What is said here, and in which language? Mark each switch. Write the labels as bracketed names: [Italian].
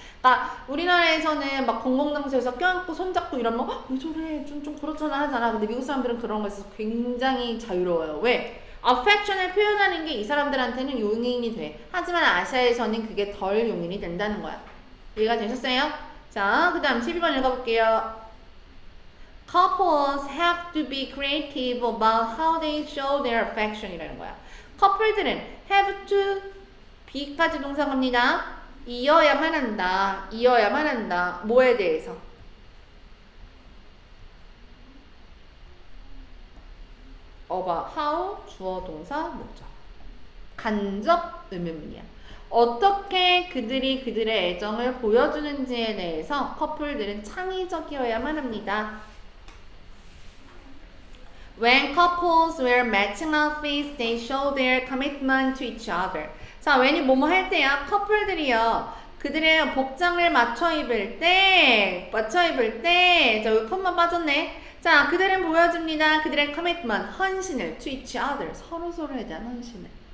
[Korean] 그러니까 우리나라에서는 막 공공장소에서 껴안고 손잡고 이러면 왜 저래? 좀 그렇잖아 하잖아. 근데 미국 사람들은 그런 거에 있어서 굉장히 자유로워요. 왜? Affection을 표현하는 게 이 사람들한테는 용인이 돼. 하지만 아시아에서는 그게 덜 용인이 된다는 거야. 이해가 되셨어요? 자, 그 다음 12번 읽어볼게요. [English] Couples have to be creative about how they show their affection [Korean] 이라는 거야. 커플들은 [English] have to be [Korean] 까지 동사입니다. 이어야만 한다. 뭐에 대해서? 어바, how, 주어, 동사, 목적. 간접 의문문이야. 어떻게 그들이 그들의 애정을 보여주는지에 대해서 커플들은 창의적이어야만 합니다. [English] When couples wear matching outfits, they show their commitment to each other. [Korean] 자, when이 뭐뭐 할 때야? 커플들이요. 그들의 복장을 맞춰 입을 때, 맞춰 입을 때, 자, 여기 컷만 빠졌네. 자, 그들은 보여줍니다. 그들의 commitment, 헌신을 to each other, 서로서로에 대한 헌신을.